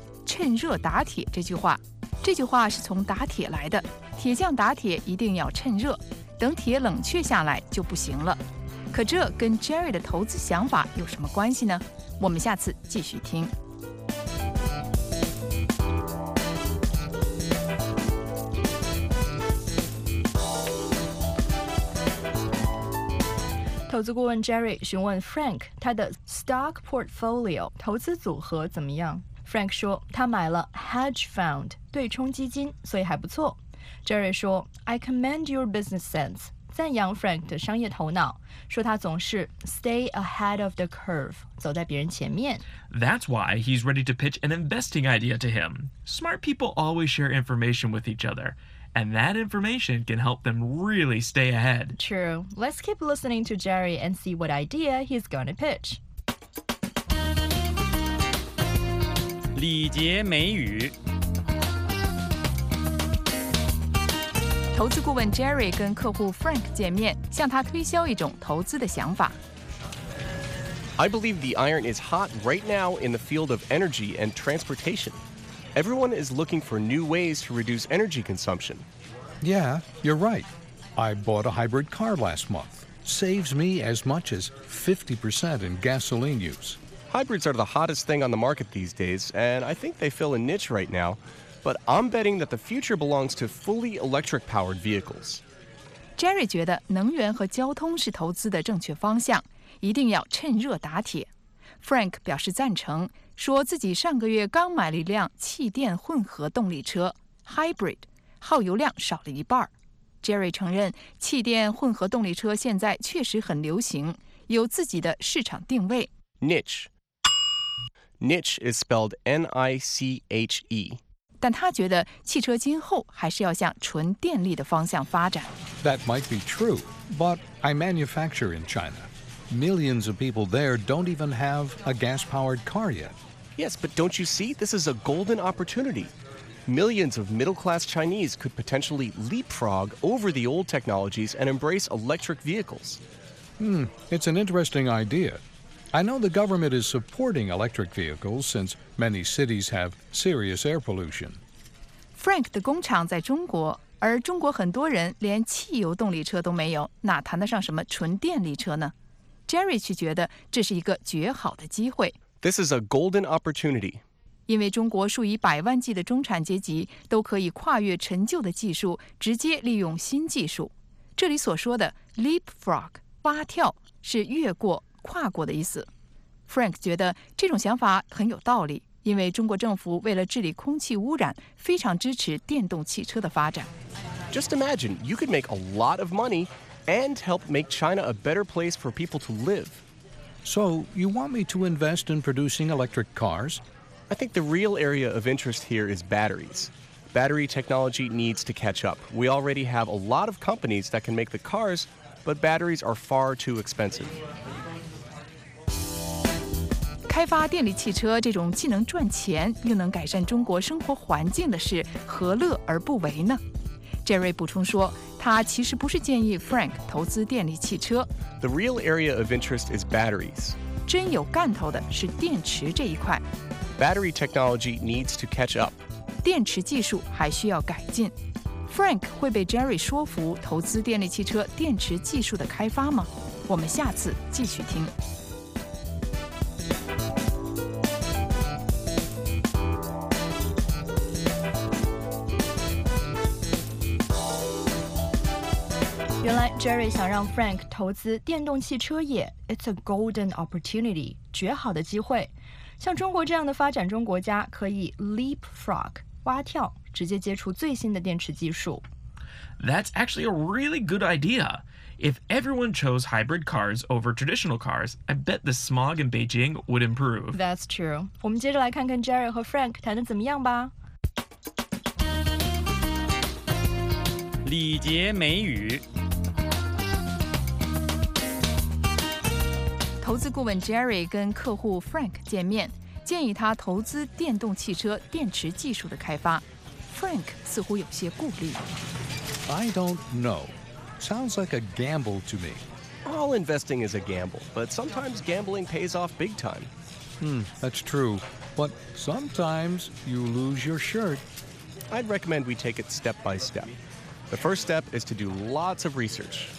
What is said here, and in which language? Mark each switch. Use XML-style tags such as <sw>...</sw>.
<zh>趁热打铁这句话。这句话是从打铁来的。铁匠打铁一定要趁热，等铁冷却下来就不行了。可这跟 Jerry 的投资想法有什么关系呢？我们下次继续听。投资顾问 Jerry 询问 Frank 他的 stock portfolio 投资组合怎么样。 Frank 说他买了 hedge fund 对冲基金，所以还不错。 Jerry 说</zh> <en>I commend your business sense</en> <zh>赞扬 Frank 的商业头脑，说他总是</zh> <en>stay ahead of the curve</en> <zh>走在别人前面。</zh> <en>That's why he's ready to pitch an investing idea to him. Smart people always share information with each other. And that information can help them really stay ahead. True. Let's keep listening to Jerry and see what idea he's going to pitch.</en> <zh>礼节美语。投资顾问 Jerry 跟客户 Frank 见面，向他推销一种投资的想法。</zh> <en>I believe the iron is hot right now in the field of energy and transportation. Everyone is looking for new ways to reduce energy consumption. Yeah, you're right. I bought a hybrid car last month. Saves me as much as 50% in gasoline use. Hybrids are the hottest thing on the market these days, and I think they fill a niche right now. But I'm betting that the future belongs to fully electric-powered vehicles.</en> <zh>Jerry 觉得能源和交通是投资的正确方向，一定要趁热打铁。 Frank 表示赞成，说自己上个月刚买了一辆气电混合动力车 ,Hybrid。耗油量少了一半。Jerry 承认气电混合动力车现在确实很流行，有自己的市场定位。</zh> <en>Niche. Niche is spelled N-I-C-H-E.</en> <zh>但他觉得汽车今后还是要向纯电力的方向发展。</zh> <en>That might be true, but I manufacture in China. Millions of people there don't even have a gas-powered car yet. Yes, but don't you see? This is a golden opportunity. Millions of middle-class Chinese could potentially leapfrog over the old technologies and embrace electric vehicles. It's an interesting idea. I know the government is supporting electric vehicles since many cities have serious air pollution.</en> <zh>Frank 的工厂在中国，而中国很多人连汽油动力车都没有，哪谈得上什么纯电力车呢？ Jerry 却觉得这是一个绝好的机会。</zh> <en>This is a golden opportunity.</en> <zh>因为中国数以百万计的中产阶级都可以跨越陈旧的技术，直接利用新技术。这里所说的 leapfrog 蛙跳是越过、跨过的意思。 Frank 觉得这种想法很有道理，因为中国政府为了治理空气污染，非常支持电动汽车的发展。</zh> <en>Just imagine, you could make a lot of money and help make China a better place for people to live. So, you want me to invest in producing electric cars? I think the real area of interest here is batteries. Battery technology needs to catch up. We already have a lot of companies that can make the cars, but batteries are far too expensive.</en> <zh>开发电力汽车这种既能赚钱又能改善中国生活环境的事，何乐而不为呢？ Jerry 补充说，他其实不是建议 Frank 投资电力汽车。</zh> <en>The real area of interest is batteries.</en> <zh>真有干头的是电池这一块。</zh> <en>Battery technology needs to catch up.</en> <zh>电池技术还需要改进。 Frank 会被 Jerry 说服投资电力汽车电池技术的开发吗？我们下次继续听。原来 Jerry 想让 Frank 投资电动汽车业</zh> <en>It's a golden opportunity</en> <zh>绝好的机会像中国这样的发展中国家可以 leapfrog 蛙跳直接接触最新的电池技术</zh> <en>That's actually a really good ideaIf everyone chose hybrid cars over traditional cars, I bet the smog in Beijing would improve. That's true.</en> <zh>我们接着来看看 Jerry 和 Frank 谈得怎么样吧。礼节美语。投资顾问 Jerry 跟客户 Frank 见面，建议他投资电动汽车电池技术的开发。 Frank 似乎有些顾虑。</zh> <en>I don't know. Sounds like a gamble to me. All investing is a gamble, but sometimes gambling pays off big time. That's true. But sometimes you lose your shirt. I'd recommend we take it step by step. The first step is to do lots of research.</en>